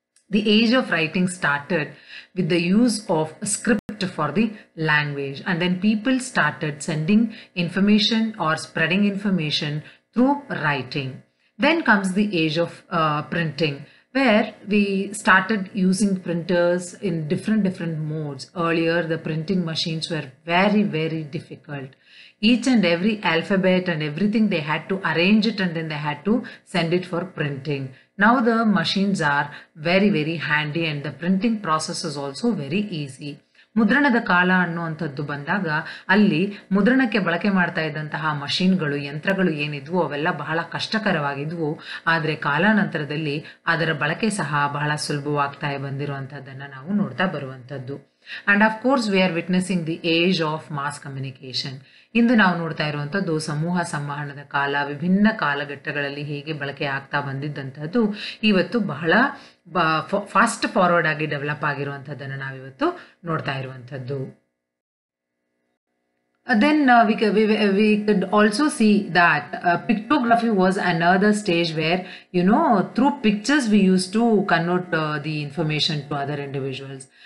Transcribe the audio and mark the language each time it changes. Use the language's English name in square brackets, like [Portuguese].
[English] The age of writing started with the use of script for the language and then people started sending information or spreading information through writing. Then comes the age of printing, where we started using printers in different modes. Earlier the printing machines were very very difficult. Each and every alphabet and everything, they had to arrange it and then they had to send it for printing. Now the machines are very, very handy and the printing process is also very easy. [Kannada] ಮುದ್ರಣದ ಕಾಲ ಅನ್ನುವಂಥದ್ದು ಬಂದಾಗ ಅಲ್ಲಿ ಮುದ್ರಣಕ್ಕೆ ಬಳಕೆ ಮಾಡ್ತಾ ಇದ್ದಂತಹ ಮಷೀನ್ಗಳು, ಯಂತ್ರಗಳು ಏನಿದ್ವು ಅವೆಲ್ಲ ಬಹಳ ಕಷ್ಟಕರವಾಗಿದ್ವು. ಆದರೆ ಕಾಲಾನಂತರದಲ್ಲಿ ಅದರ ಬಳಕೆ ಸಹ ಬಹಳ ಸುಲಭವಾಗ್ತಾ ಬಂದಿರುವಂಥದ್ದನ್ನು ನಾವು ನೋಡ್ತಾ ಬರುವಂಥದ್ದು. [English] And of course we are witnessing the age of mass communication. [Kannada] ಇಂದು ನಾವು ನೋಡ್ತಾ ಇರುವಂಥದ್ದು ಸಮೂಹ ಸಂವಹನದ ಕಾಲ, ವಿಭಿನ್ನ ಕಾಲಘಟ್ಟಗಳಲ್ಲಿ ಹೇಗೆ ಬಳಕೆ ಆಗ್ತಾ ಬಂದಿದ್ದಂಥದ್ದು ಇವತ್ತು ಬಹಳ ಫಾಸ್ಟ್ ಫಾರ್ವರ್ಡ್ ಆಗಿ ಡೆವಲಪ್ ಆಗಿರುವಂಥದ್ದನ್ನು ನಾವಿವತ್ತು ನೋಡ್ತಾ ಇರುವಂಥದ್ದು. [English] Then we could also see that pictography was another stage where, you know, through pictures we used to connote the information to other individuals.